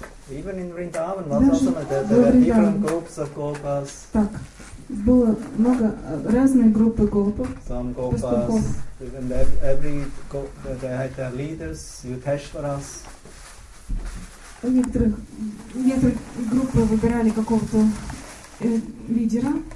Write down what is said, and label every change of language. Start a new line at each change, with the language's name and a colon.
English: Even in Vrindavan, there were different groups of gopas.
Russian: Так, было много разные группы гопов.
English: Some gopas, and every gopa, they had their leaders, Yudheshwaras.
Russian: У некоторых группы выбирали какого-то лидера.